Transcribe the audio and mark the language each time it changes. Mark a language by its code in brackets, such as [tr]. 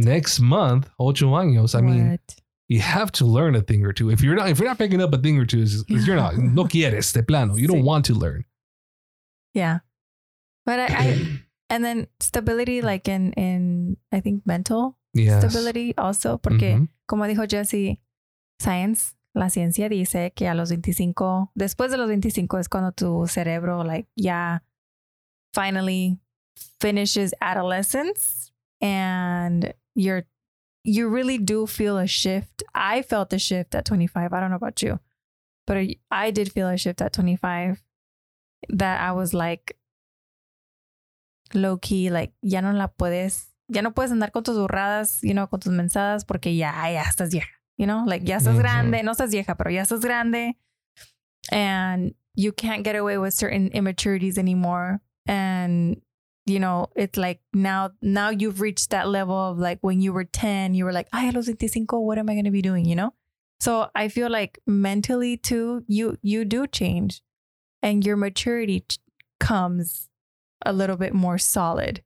[es] 8 años. [en] I mean, you have to learn a thing or two. If you're not picking up a thing or two, it's you're not. [es] No quieres, de plano. [en] You don't want to learn. Yeah. But and then stability, like in I think mental. Yes. Stability also, [es] porque como dijo Jesse, la ciencia dice que a los 25, después de los 25 es cuando tu cerebro, like, ya [en] finally finishes adolescence and you really do feel a shift. I felt the shift at 25. I don't know about you, but I did feel a shift at 25 that I was like low key, like, [es] ya no la puedes, ya no puedes andar con tus burradas, [en] you know, [es] con tus mensadas, porque ya estás vieja, [en] you know, like, [es] ya estás [en] mm-hmm. [es] grande, no estás vieja, pero ya estás grande. [en] And you can't get away with certain immaturities anymore. And, you know, it's like now you've reached that level of like when you were 10, you were like, [es] ay, a los 25, [en] what am I going to be doing? You know? So I feel like mentally too, you do change and your maturity comes a little bit more solid.